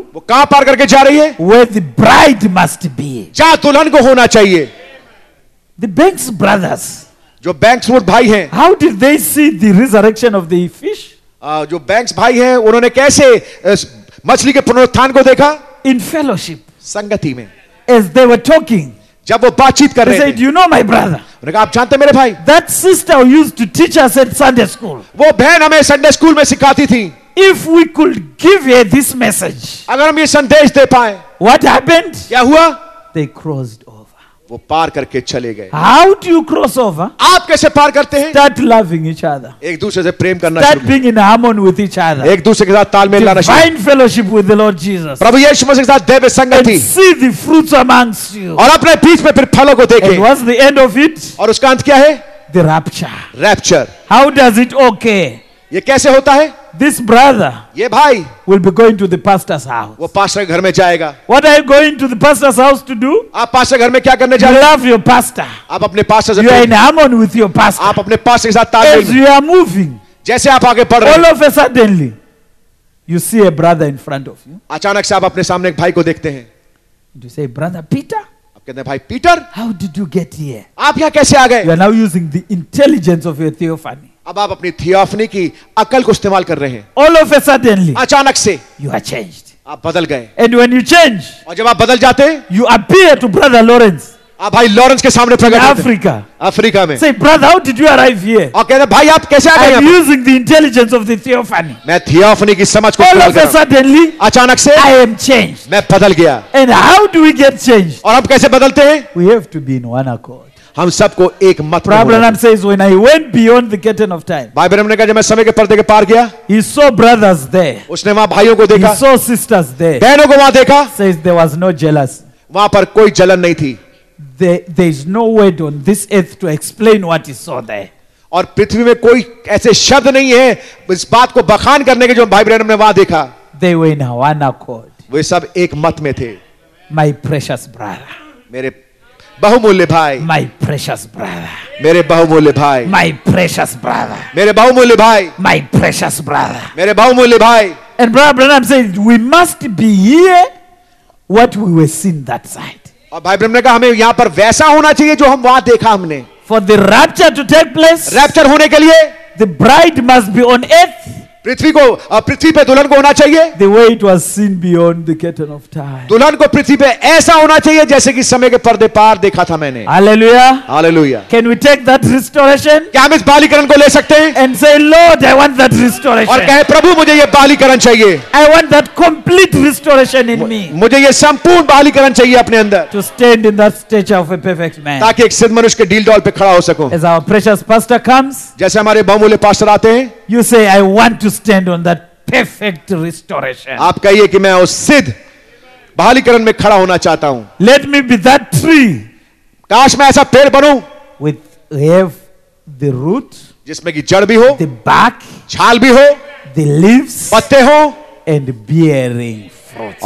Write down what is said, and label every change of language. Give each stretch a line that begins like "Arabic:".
Hindi: वो कहाँ पार करके जा रही है?
English: Where the bride must be.
Hindi: जहाँ दुल्हन को होना चाहिए.
English: The Banks brothers.
Hindi: जो बैंक्स वो भाई हैं.
English: How did they see the resurrection of the fish?
Hindi: जो बैंक्स भाई हैं, उन्होंने कैसे मछली के पुनरुत्थान को देखा?
English: In fellowship.
Hindi: संगति में.
English: As they were talking.
Hindi: जब वो बातचीत कर रहे थे.
English: He said, "You know my brother."
Hindi: उन्होंने कहा, आप जानते मेरे भाई?
English: That sister used to teach us at Sunday school.
Hindi: वो बहन हमें संडे स्कूल में सिखाती थी.
English: If we could give her this message.
Hindi: अगर हम ये संदेश दे पाए.
English: What happened?
Hindi: क्या हुआ?
English: They crossed over.
Hindi: वो पार करके चले गए.
English: How do you cross over?
Hindi: आप कैसे पार करते हैं?
English: Start loving each other.
Hindi: एक दूसरे से प्रेम करना.
English: Start being in harmony with each other.
Hindi: एक दूसरे के साथ तालमेल लाना.
English: Find fellowship with the Lord Jesus.
Hindi: प्रभु यीशु मसीह के साथ देव संगति.
English: And see the fruits amongst you.
Hindi: और अपने बीच में फिर फलों को देखें.
English: And what's the end of it?
Hindi: और उसका अंत क्या है?
English: The rapture. Rapture. How does it occur?
Hindi: ये कैसे होता है?
English: This brother,
Hindi: ये भाई,
English: will be going to the pastor's house.
Hindi: वो पास्टर के घर में जाएगा.
English: What are you going to the pastor's house to do?
Hindi: आप पास्टर घर में क्या करने जा रहे हैं?
English: You love your pastor.
Hindi: आप अपने पास्टर से.
English: You are in harmony with your pastor.
Hindi: आप अपने पास्टर के साथ तालमेल.
English: As you are moving,
Hindi: जैसे आप आगे बढ़ रहे हैं.
English: All of a suddenly, you see a brother in front of you.
Hindi: अचानक से आप अपने सामने एक भाई को देखते हैं.
English: You say, brother Peter.
Hindi: आप कहते हैं, भाई Peter.
English: How did you get here?
Hindi: आप यहाँ कैसे आ गए?
English: You are now using the intelligence of your theophany.
Hindi: अब आप अपनी थियोफनी की अकल को इस्तेमाल कर रहे हैं.
English: All of a suddenly,
Hindi: अचानक से,
English: you are changed.
Hindi: आप बदल गए.
English: And when you change,
Hindi: और जब आप बदल जाते हैं,
English: you appear to brother Lawrence.
Hindi: आप भाई लॉरेंस के सामने प्रकट होते हैं. अफ्रीका में.
English: Say, brother, how did you arrive here?
Hindi: और कहते हैं, भाई आप कैसे आ गए?
English: I'm using the intelligence of the theophany.
Hindi: मैं थियोफनी की समझ को.
English: All of a suddenly,
Hindi: अचानक से,
English: I am changed.
Hindi: मैं बदल गया.
English: And how do we get changed?
Hindi: और हम कैसे बदलते हैं?
English: We have to be in one accord.
Hindi: हम सबको एक मत.
English: Problem says when I went beyond the curtain of time.
Hindi: भाई ब्रह्म ने कहा, जब मैं समय के पर्दे के पार गया.
English: He saw brothers there.
Hindi: उसने वहाँ भाइयों को देखा.
English: He saw sisters there.
Hindi: बहनों को वहाँ देखा.
English: Says there was no jealousy.
Hindi: वहाँ पर कोई जलन नहीं थी.
English: There is no word on this earth to explain what he saw there.
Hindi: और पृथ्वी में कोई ऐसे शब्द नहीं है इस बात को बखान करने के जो भाई ब्रह्म ने वहाँ देखा.
English: They were in one accord.
Hindi: वे सब एक मत में थे.
English: My precious brother.
Hindi: मेरे बहुमूल्य भाई.
English: My precious brother.
Hindi: मेरे बहुमूल्य भाई.
English: My precious brother.
Hindi: मेरे बहुमूल्य भाई.
English: My precious brother.
Hindi: मेरे बहुमूल्य भाई.
English: And brother Branham says, we must be here what we were seen that side.
Hindi: और भाई ब्रह्म ने कहा, हमें यहाँ पर वैसा होना चाहिए जो हम वहां देखा हमने.
English: For the rapture to take place.
Hindi: Rapture होने के लिए.
English: The bride must be on earth.
Hindi: पृथ्वी को पृथ्वी पे दुल्हन को होना चाहिए.
English: The way it was seen beyond the curtain of time.
Hindi: दुल्हन को पृथ्वी पे ऐसा होना चाहिए जैसे कि समय के पर्दे पार देखा था मैंने.
English: Hallelujah. Hallelujah. Can we take that restoration?
Hindi: क्या हम इस बालीकरण को ले सकते हैं?
English: And say, Lord, I want that restoration.
Hindi: और कहे, प्रभु मुझे ये बालीकरण चाहिए.
English: I want that complete restoration in me.
Hindi: मुझे ये संपूर्ण बालीकरण चाहिए अपने अंदर.
English: To stand in that stature of a perfect man.
Hindi: ताकि एक सिद्ध मनुष्य के डील डॉल पे खड़ा हो सकूं.
English: As our precious pastor comes.
Hindi: जैसे हमारे बहुमूल्य पास्टर आते हैं.
English: You say, I want to stand on that perfect restoration.
Hindi: आप कहिए कि मैं उस सिद्ध बहालीकरण में खड़ा होना चाहता हूं.
English: Let me be that tree.
Hindi: काश मैं ऐसा पेड़ बनूं.
English: With have the root.
Hindi: जिसमें की जड़ भी हो.
English: The bark.
Hindi: छाल भी हो.
English: The leaves.
Hindi: पत्ते हो.
English: And bearing fruit.